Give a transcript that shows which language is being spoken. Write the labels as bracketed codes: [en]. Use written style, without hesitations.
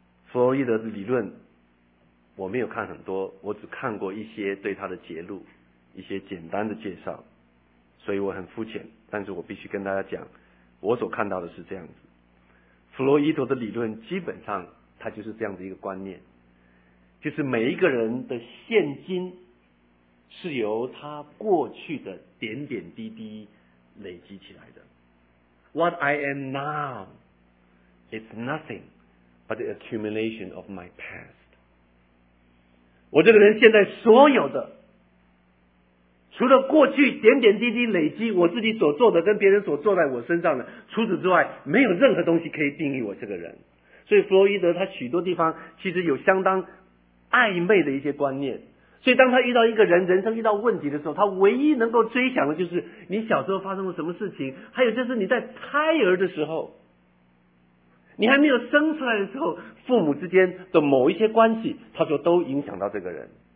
[zh] 弗洛伊德的理论我没有看很多，我只看过一些对他的揭露，一些简单的介绍，所以我很肤浅，但是我必须跟大家讲，我所看到的是这样子。弗洛伊德的理论基本上他就是这样的一个观念，就是每一个人的现今是由他过去的点点滴滴累积起来的。 [en] What I am now is nothing but the accumulation of my past。 [zh] 我这个人现在所有的，除了过去点点滴滴累积我自己所做的跟别人所做在我身上的，除此之外没有任何东西可以定义我这个人。所以弗洛伊德他许多地方其实有相当暧昧的一些观念，所以当他遇到一个人，人生遇到问题的时候，他唯一能够追想的就是你小时候发生了什么事情，还有就是你在胎儿的时候，你还没有生出来的时候，父母之间的某一些关系，他说都影响到这个人。